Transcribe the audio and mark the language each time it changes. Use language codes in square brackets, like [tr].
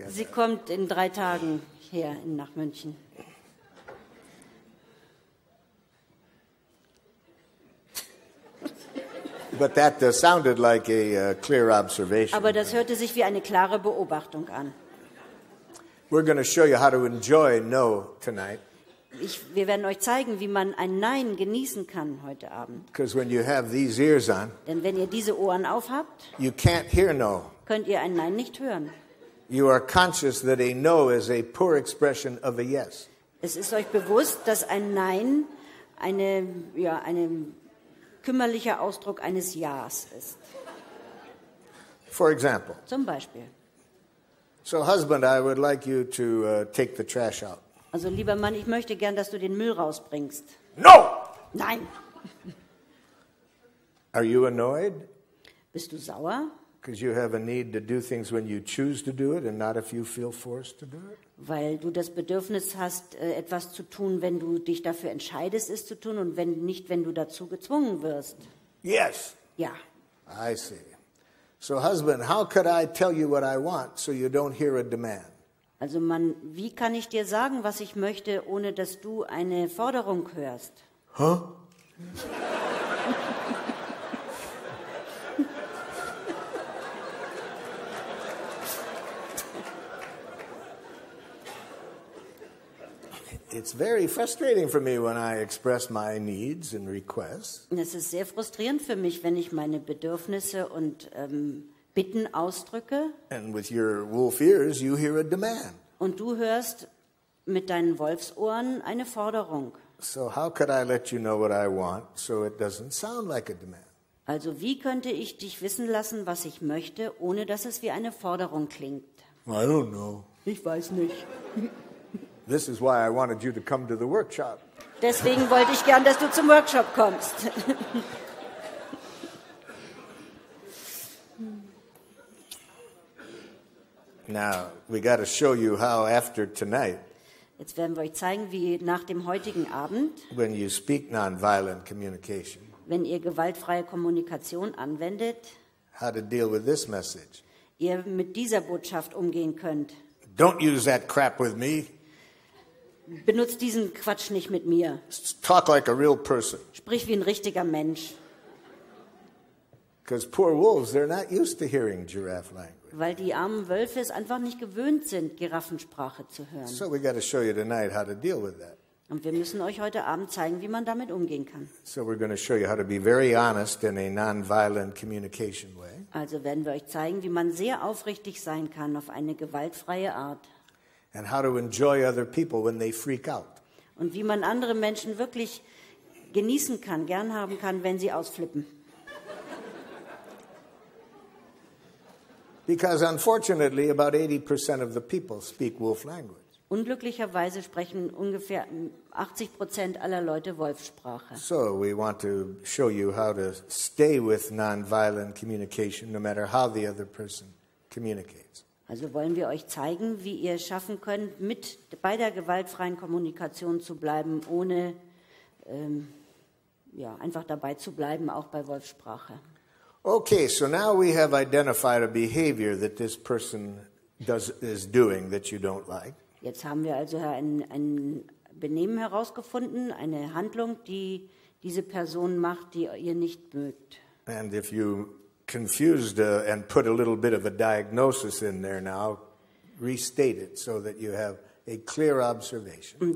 [de] Sie kommt in 3 Tagen hier nach München. [en] But that sounded like a clear observation. [de] Aber das hörte sich wie eine klare Beobachtung an. [en] We're going to show you how to enjoy no tonight. [de] Wir werden euch zeigen, wie man ein Nein genießen kann heute Abend. [en] Because when you have these ears on, [de] denn wenn ihr diese Ohren aufhabt, [en] you can't hear no. [de] Könnt ihr ein Nein nicht hören. [en] You are conscious that a no is a poor expression of a yes. [de] Es ist euch bewusst, dass ein Nein ein kümmerlicher Ausdruck eines Ja's ist. [en] For example. [de] Zum Beispiel. [en] So husband, I would like you to take the trash out. [de] Also lieber Mann, ich möchte gern, dass du den Müll rausbringst. [en] No! [de] Nein. [en] Are you annoyed? [de] Bist du sauer? [en] Because you have a need to do things when you choose to do it and not if you feel forced to do it. [de] Weil du das Bedürfnis hast, etwas zu tun, wenn du dich dafür entscheidest, es zu tun und wenn nicht, wenn du dazu gezwungen wirst. [en] Yes. [de] Ja. [en] I see. So husband, how could I tell you what I want so you don't hear a demand? [de] Also Mann, wie kann ich dir sagen, was ich möchte, ohne dass du eine Forderung hörst? Huh? [en] It's very frustrating for me when I express my needs and requests. [de] Es ist sehr frustrierend für mich, wenn ich meine Bedürfnisse und Bitten ausdrücke. [en] And with your wolf ears, you hear a demand. [de] Und du hörst mit deinen Wolfsohren eine Forderung. [en] So how could I let you know what I want, so it doesn't sound like a demand? [de] Also wie könnte ich dich wissen lassen, was ich möchte, ohne dass es wie eine Forderung klingt? [en] I don't know. [de] Ich weiß nicht. [en] This is why I wanted you to come to the workshop. [de] Deswegen wollte ich gern, dass du zum Workshop kommst. [en] Now, we got to show you how after tonight. [de] Jetzt werden wir euch zeigen, wie nach dem heutigen Abend. [en] When you speak non-violent communication. [de] Wenn ihr gewaltfreie Kommunikation anwendet. [en] How to deal with this message. [de] Ihr mit dieser Botschaft umgehen könnt. [en] Don't use that crap with me. [de] Benutzt diesen Quatsch nicht mit mir. [en] Talk like a real person. [de] Sprich wie ein richtiger Mensch. [en] Because poor wolves, they're not used to hearing giraffe language. [de] Weil die armen Wölfe es einfach nicht gewöhnt sind, Giraffensprache zu hören. [en] So we got to show you tonight how to deal with that. [de] Und wir müssen euch heute Abend zeigen, wie man damit umgehen kann. [en] So we're going to show you how to be very honest in a non-violent communication way. [de] Also werden wir euch zeigen, wie man sehr aufrichtig sein kann auf eine gewaltfreie Art. [en] And how to enjoy other people when they freak out. [de] Und wie man andere Menschen wirklich genießen kann, gern haben kann, wenn sie ausflippen. [en] Because unfortunately about 80% of the people speak wolf language. [de] Unglücklicherweise sprechen ungefähr 80% aller Leute Wolfsprache. [en] So we want to show you how to stay with non-violent communication no matter how the other person communicates. [de] Also wollen wir euch zeigen, wie ihr es schaffen könnt, mit bei der gewaltfreien Kommunikation zu bleiben, ohne ja, einfach dabei zu bleiben, auch bei Wolfssprache. [en] Okay, so now we have identified a behavior that this person does, is doing that you don't like. [de] Jetzt haben wir also ein Benehmen herausgefunden, eine Handlung, die diese Person macht, die ihr nicht mögt. [en] And if you confused and put a little bit of a diagnosis in there now, restate it so that you have a clear observation.